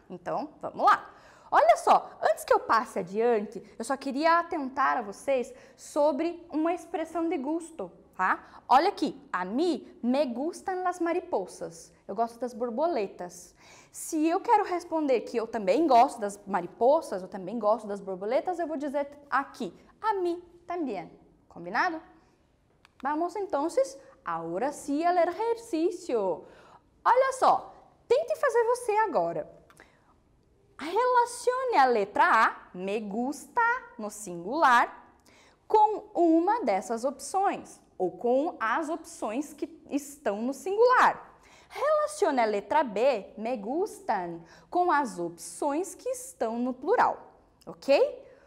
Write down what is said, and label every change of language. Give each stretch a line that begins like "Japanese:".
Portuguese: Então, vamos lá! Olha só, antes que eu passe adiante, eu só queria atentar a vocês sobre uma expressão de gusto, tá? Olha aqui,
Spanish: a mí me gustan las mariposas,
Portuguese: eu gosto das borboletas. Se eu quero responder que eu também gosto das mariposas, eu também gosto das borboletas, eu vou dizer aqui,
Spanish: a mí también,
Portuguese: combinado?
Spanish: Vamos entonces, ahora sí al ejercicio.
Portuguese: Olha só, tente fazer você agora. Relacione a letra A, me gusta, no singular, com uma dessas opções, ou com as opções que estão no singular. Relacione a letra B, me gustan, com as opções que estão no plural, ok?